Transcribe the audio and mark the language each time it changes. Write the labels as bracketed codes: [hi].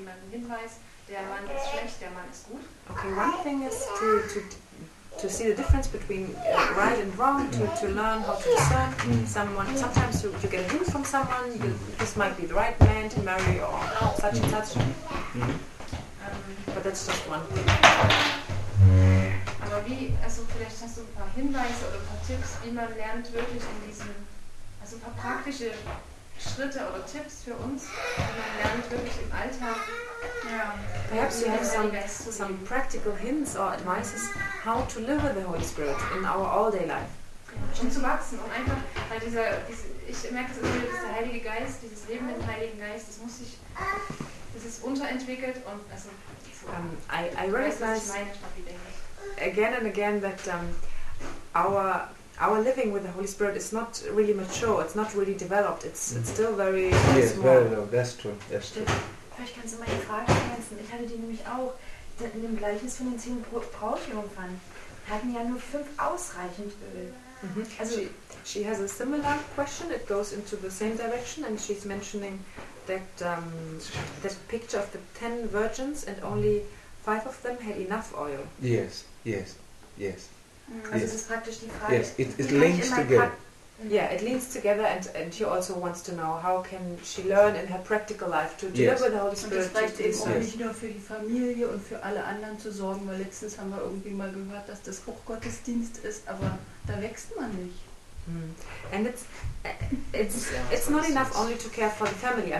[de] Hinweis, der Mann ist schlecht, der Mann ist gut. [en] Okay, one thing is to see the difference between right and wrong, to learn how to discern someone. Sometimes you get a hint from someone, this might be the right man to marry or such and such. But that's just one thing. [de] Aber wie, also vielleicht hast du ein paar Hinweise oder ein paar Tipps, wie man lernt wirklich in diesem, also ein paar praktische Schritte oder Tipps für uns, wie man lernt wirklich im Alltag. [en] Yeah. Perhaps you have some practical hints or advices how to live with the Holy Spirit in our all-day life. [de] Ja, um zu wachsen, um einfach, weil ich merke es immer, dass der Heilige Geist, dieses Leben mit dem Heiligen Geist, das muss sich, das ist unterentwickelt und also. [en] I realize again and again that our living with the Holy Spirit is not really mature, it's not really developed, it's still very small. Yes, very low, that's true. [de] Vielleicht kannst du mal die Frage ergänzen. Ich hatte die nämlich auch in dem Gleichnis von den 10 Brautjungfern. Hatten ja nur 5 ausreichend Öl. Mm-hmm. [en] Also she has a similar question, it goes into the same direction, and she's mentioning that that picture of the 10 virgins and only 5 of them had enough oil. Yes. [de] Also yes. Das ist praktisch die Frage. [en] Yes, it links together. Yeah, it links together, and she also wants to know how can she learn in her practical life to live with the Holy Spirit. [de] Und das reicht eben auch nicht nur für die Familie und für alle anderen zu sorgen, weil letztens haben wir irgendwie mal gehört, dass das Hochgottesdienst ist, aber da wächst man nicht. [en] And it's not enough only to care for the family.